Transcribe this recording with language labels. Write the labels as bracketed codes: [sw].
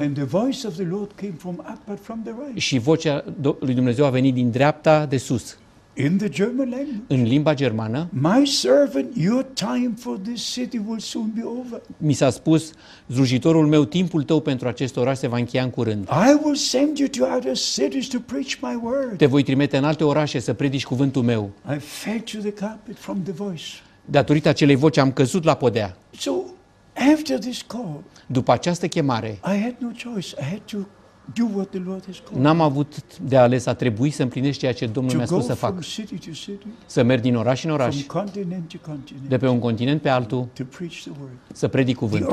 [en] And the voice of the Lord came from up but from the right. [ro] Și vocea lui Dumnezeu a venit din dreapta de sus. [en] In the German language. [ro] În limba germană. [en] My servant, your time for this city will soon be over. [ro] Mi s-a spus, slujitorul meu, timpul tău pentru acest oraș se va încheia în curând. [en] I will send you to other cities to preach my word. [ro] Te voi trimite în alte orașe să predici cuvântul meu. [en] I fell to the carpet from the voice. [ro] Datorită acelei voci am căzut la podea. [en] So, after this call. [ro] După această chemare. [en] I had no choice. I had to do what the Lord has called. [ro] N-am avut de ales, a trebuit să împlinesc ceea ce Domnul mi-a spus să fac. Să merg din oraș în oraș, de pe un continent pe altul, să predic cuvântul.